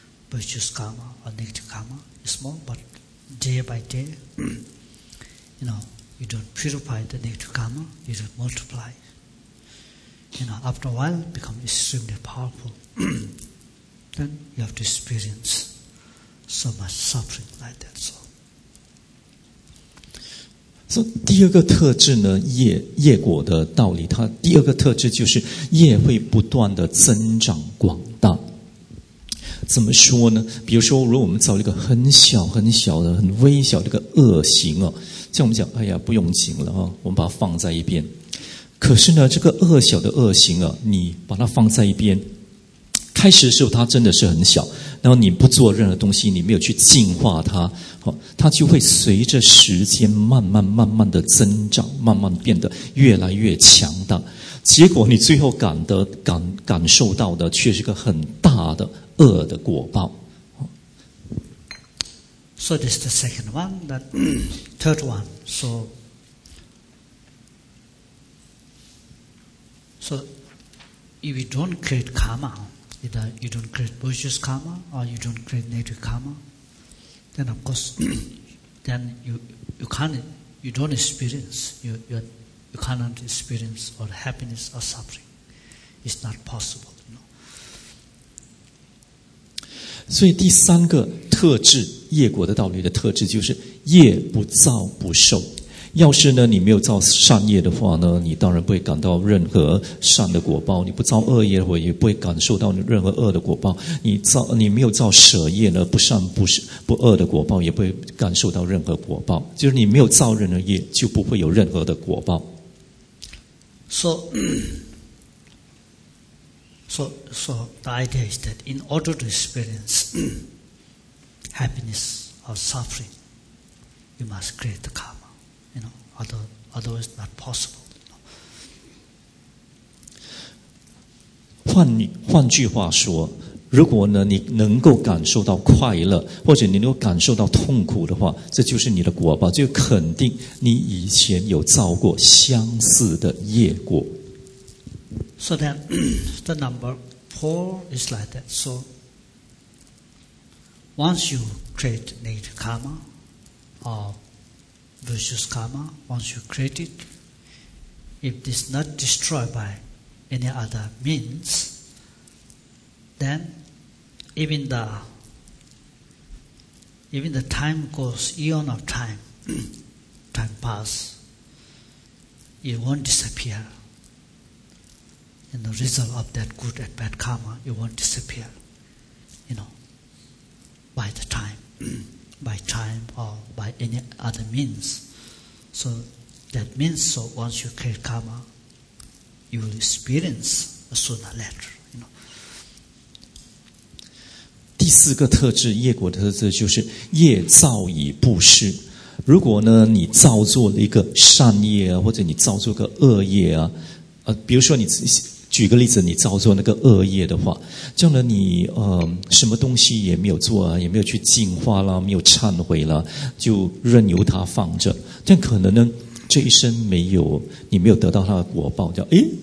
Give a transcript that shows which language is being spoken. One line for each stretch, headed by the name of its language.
English: Virtuous karma or negative karma is small, but day by day, you know, you don't purify the negative karma, you don't multiply. You know, after a while, become extremely powerful. Then you have to experience so much suffering like that. So
Chinese: 第二个特质呢，业果的道理，它第二个特质就是业会不断的增长广大。怎么说呢？比如说，如果我们造了一个很小很小的、很微小的一个恶行哦，像我们讲，哎呀，不用紧了哦，我们把它放在一边。可是呢，这个恶小的恶行啊，你把它放在一边。开始的时候它真的是很小，然后你不做任何东西，你没有去净化它，它就会随着时间慢慢慢慢的增长，慢慢变得越来越强大，结果你最后感受到的却是个很大的恶的果报。
English: So this is the second one, the third one. So if you don't create karmaEither you don't create virtuous karma or you don't create negative karma, then of course, then you cannot experience or happiness or suffering. It's not possible, you know.
Chinese: 所以第三个特质，业果的道理的特质就是业不造不受。要是呢，你没有造善业的话呢，你当然不会感到任何善的果报；你不造恶业的话，也不会感受到任何恶的果报。你没有造舍业呢，不善不恶的果报，也不会感受到任何果报。就是你没有造任何业，就不会有任何的果报。
English: So, So the idea is that in order to experience happiness or suffering, you must create the karma. You know, otherwise not possible. You know?
Chinese: 换句话说，如果呢，你能够感受到快乐，或者你能够感受到痛苦的话，这就是你的果报，就肯定你以前有造过相似的业果。
English: So then, the number four is like that. So once you create negative karma or vicious karma, once you create it, if it is not destroyed by any other means, then Even the time goes, eon of time pass, it won't disappear. And the result of that good and bad karma, it won't disappear, you know, by the time, by time or by any other means. So that means, so once you create karma, you will experience sooner or later.
Chinese: 第四个特质，业果的特质就是业造已布施。如果呢，你造作了一个善业啊，或者你造作个恶业啊，比如说你举个例子，你造作那个恶业的话，这样呢，你什么东西也没有做啊，也没有去净化啦，没有忏悔啦，就任由它放着，这样可能呢，这一生没有你没有得到它的果报，叫诶。